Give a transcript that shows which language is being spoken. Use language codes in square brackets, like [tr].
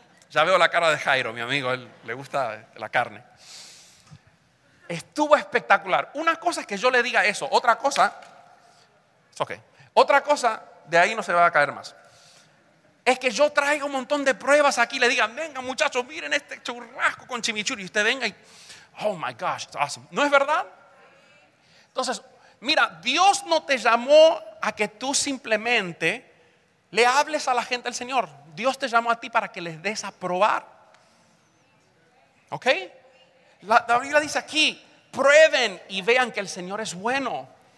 [es] Ya veo la cara de Jairo, mi amigo, él le gusta la carne. Estuvo espectacular. Una cosa es que yo le diga eso, otra cosa, es ok, otra cosa, de ahí no se va a caer más, es que yo traiga un montón de pruebas aquí y le diga: venga, muchachos, miren este churrasco con chimichurri. Y usted venga y: [en] oh my gosh, it's awesome. [es] ¿No es verdad? Entonces, mira, Dios no te llamó a que tú simplemente le hables a la gente del Señor. Dios te llamó a ti para que les des a probar. ¿Ok? La Biblia dice aquí: prueben y vean que el Señor es bueno.